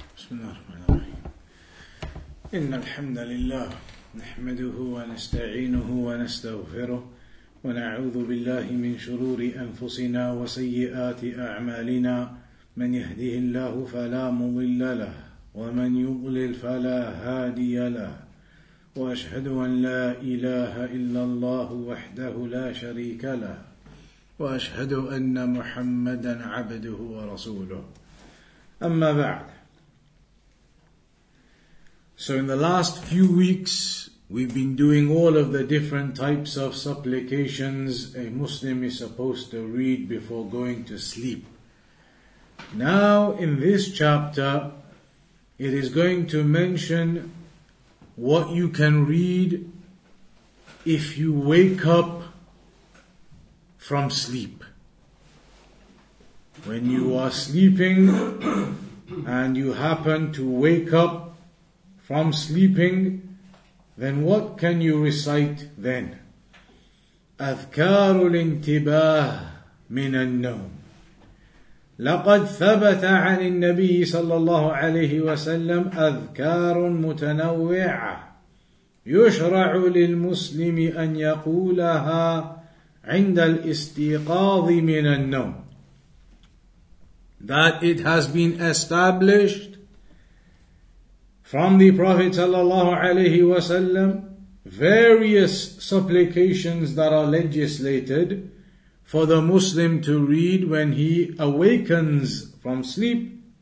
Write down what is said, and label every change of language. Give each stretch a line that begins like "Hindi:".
Arabic: إن الحمد لله نحمده ونستعينه ونستغفره ونعوذ بالله من شرور أنفسنا وسيئات أعمالنا من يهده الله فلا مضل له ومن يضلل فلا هادي له وأشهد أن لا إله إلا الله وحده لا شريك له وأشهد أن محمدا عبده ورسوله أما بعد.
English: So in the last few weeks, we've been doing all of the different types of supplications a Muslim is supposed to read before going to sleep. Now in this chapter, it is going to mention what you can read if you wake up from sleep. When you are sleeping and you happen to wake up from sleeping, then what can you recite then?
Arabic: أذكار الانتباه من النوم. لقد ثبت عن النبي صلى الله عليه وسلم أذكار متنوعة يشرع للمسلم أن يقولها عند الاستيقاظ من النوم.
English: That it has been established from the Prophet sallallahu alayhi wa sallam, various supplications that are legislated for the Muslim to read when he awakens from sleep.